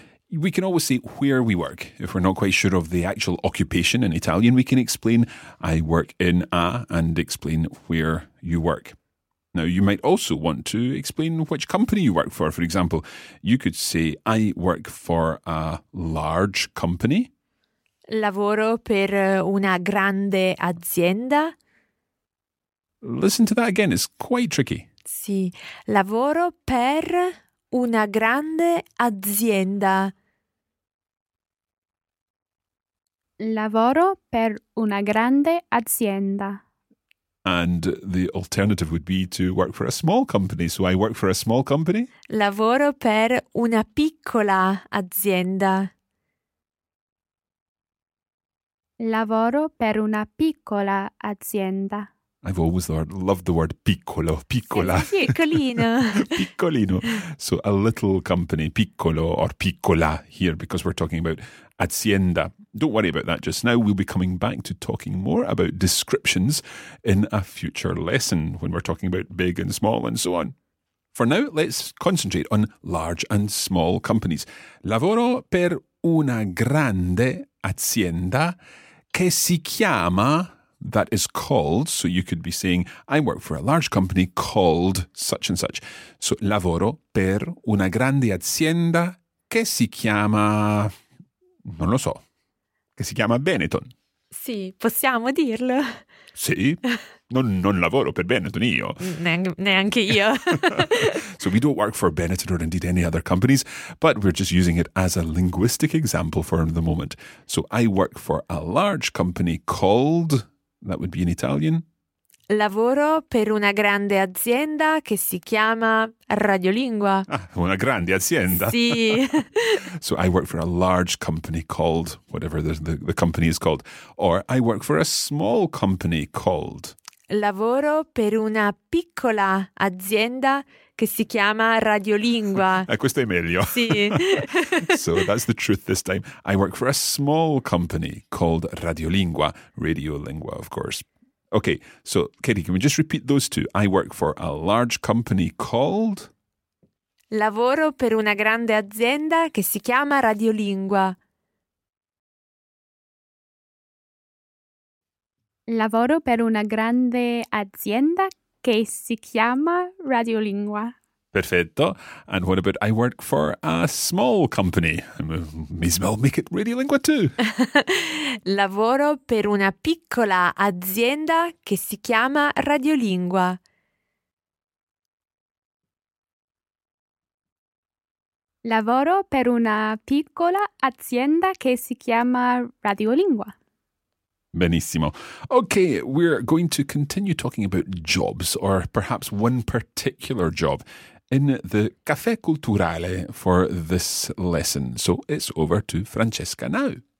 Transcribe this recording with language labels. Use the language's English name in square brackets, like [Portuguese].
[English] We can always say where we work. If we're not quite sure of the actual occupation in Italian, we can explain, I work in a, and explain where you work. Now, you might also want to explain which company you work for. For example, you could say, I work for a large company. [Italian] Lavoro per una grande azienda. [English] Listen to that again. It's quite tricky. [Italian] Sì. Lavoro per una grande azienda. Lavoro per una grande azienda. [English] And the alternative would be to work for a small company. So I work for a small company. [Italian] Lavoro per una piccola azienda. Lavoro per una piccola azienda. [English] I've always loved the word piccolo, piccola. [Italian] Piccolino. [English] Piccolino. So a little company, piccolo or piccola here, because we're talking about azienda. Don't worry about that just now. We'll be coming back to talking more about descriptions in a future lesson when we're talking about big and small and so on. For now, let's concentrate on large and small companies. [Italian] Lavoro per una grande azienda che si chiama... [English] That is called, so you could be saying, I work for a large company called such and such. [Italian] So, lavoro per una grande azienda che si chiama, non lo so, che si chiama Benetton. Sì, possiamo dirlo. Sì, non lavoro per Benetton io. Neanche io. [English] So, we don't work for Benetton or indeed any other companies, but we're just using it as a linguistic example for the moment. So, I work for a large company called... That would be in Italian. [Italian] Lavoro per una grande azienda che si chiama Radiolingua. Ah, una grande azienda. Sì. [English] So I work for a large company called, whatever the company is called. Or I work for a small company called. [Italian] Lavoro per una piccola azienda che si chiama Radiolingua. Questo è meglio. Sì. [English] So that's the truth this time. I work for a small company called Radiolingua. Radiolingua, of course. Okay, so Katie, can we just repeat those two? I work for a large company called... [Italian] Lavoro per una grande azienda che si chiama Radiolingua. Lavoro per una grande azienda che si chiama Radiolingua. Perfetto. [English] And what about I work for a small company? Miss Mel, make it Radiolingua too. [Italian] Lavoro per una piccola azienda che si chiama Radiolingua. Lavoro per una piccola azienda che si chiama Radiolingua. Benissimo. [English] Okay, we're going to continue talking about jobs or perhaps one particular job in the Café Culturale for this lesson. So it's over to Francesca now.